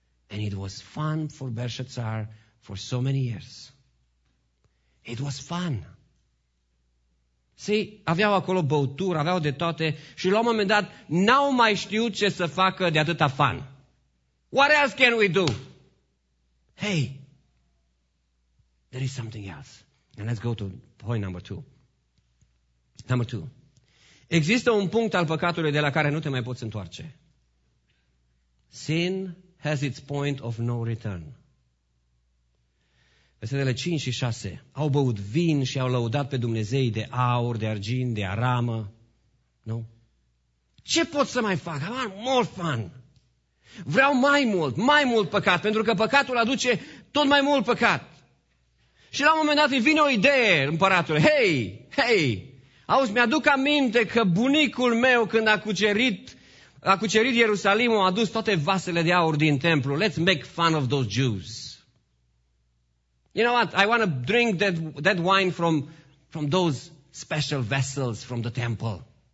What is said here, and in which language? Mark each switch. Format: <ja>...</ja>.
<en>And it was fun for Belshazzar for so many years. It was fun.</en> <ro>Si, aveau acolo băutură, aveau de toate și la un moment dat n-au mai știut ce să facă de atâta fun.</ro> <en>What else can we do? Hey, there is something else. And let's go to point number two. Number two.</en> <ro>Există un punct al păcatului de la care nu te mai poți întoarce.</ro> <en>Sin has its point of no return.</en> <ro>Versetele 5 și 6. Au băut vin și au lăudat pe Dumnezei de aur, de argint, de aramă. Nu? Ce pot să mai fac?</ro> <en>I want more fun.</en> <ro>Vreau mai mult, mai mult păcat, pentru că păcatul aduce tot mai mult păcat. Și la un moment dat îi vine o idee, împăratul. Hei, hei, auzi, mi-aduc aminte că bunicul meu când a cucerit Ierusalimul, a adus toate vasele de aur din templu.</ro> <en>Let's make fun of those Jews. You know what? I want to drink that wine from those special vessels from the temple.</en>